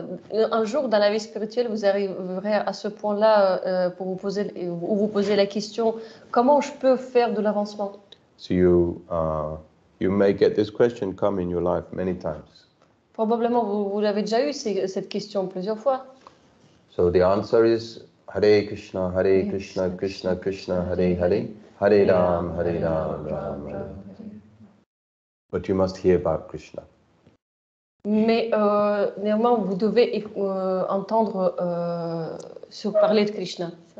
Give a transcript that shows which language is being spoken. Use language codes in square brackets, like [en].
[fr] Un jour dans la vie spirituelle, vous arriverez à ce point-là pour vous poser ou vous poser la question comment je peux faire de l'avancement? [en] So you may get this question come in your life many times. [fr] Probablement vous l'avez déjà eu cette question plusieurs fois. [en] So the answer is Hare Krishna, Hare Krishna, Krishna Krishna, Hare Hare, Hare Ram, Hare Ram, Ram Ram. But you must hear about Krishna. [fr] Mais néanmoins, vous devez entendre sur parler de Krishna.